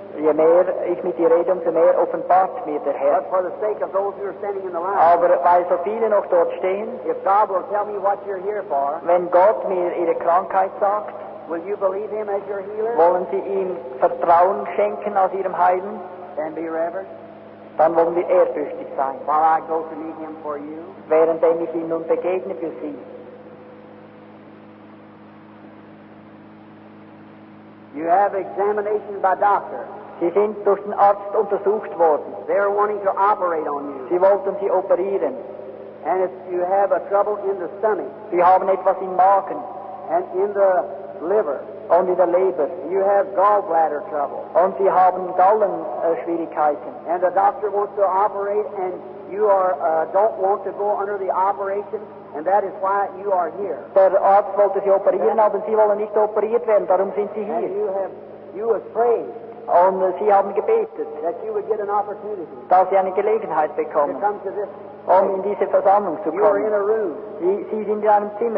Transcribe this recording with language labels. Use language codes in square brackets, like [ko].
[de] Je mehr ich mit ihr rede, umso mehr offenbart mir der Herr. [en] But for the sake of those who are standing in the line. [de] Aber weil so viele noch dort stehen. [en] If God will tell me what you're here for. [de] Wenn Gott mir ihre Krankheit sagt. [en] Will you believe him as your healer? [de] Wollen Sie ihm Vertrauen schenken als ihrem Heilen? [en] Then be reverent. [de] Dann wollen wir ehrfürchtig sein. [en] While I go to meet him for you. [de] Während ich ihm nun begegne für Sie. [en] You have examination by doctor. [de] Sie sind durch den Arzt untersucht worden. [en] They are wanting to operate on you. [de] Sie wollten Sie operieren. [en] And if you have a trouble in the stomach. [de] Sie haben etwas im Magen. [en] And in the liver. [de] Und in der Leber. [en] You have gallbladder trouble. [de] Und Sie haben Gallenschwierigkeiten. [en] And the doctor wants to operate and you are don't want to go under the operation. And that is why you are here. [de] Der Arzt wollte Sie operieren, aber Sie wollen nicht operiert werden. Darum sind Sie hier. [en] And you have prayed. [de] Und Sie haben gebetet. [en] That you would get an opportunity. [de] Dass Sie eine Gelegenheit bekommen. [en] To come to this. [de] Um in diese Versammlung zu kommen. [en] You are in a room. [de] Sie sind in einem Zimmer